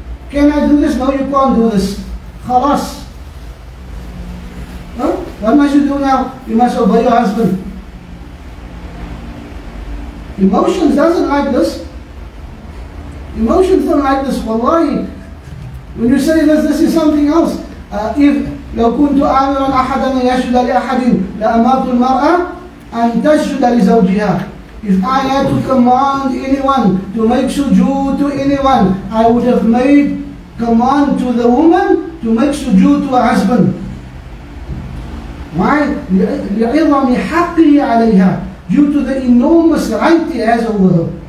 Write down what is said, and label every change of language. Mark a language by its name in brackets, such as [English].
[English] Can I do this? No, you can't do this. Khalas. What must you do now? You must obey your husband. Emotions doesn't like this. Emotions don't like this. Wallahi. When you say this, this is something else. [Arabic] If لو كنت آمرا أحدا أن يشهد لأحد لأمرت المرأة أن تشهد لزوجها. [English] If I had to command anyone to make sujood to anyone, I would have made command to the woman to make sujood to her husband. Why? [Arabic] لعظم حقه عليها, [English] due to the enormous right he has over her.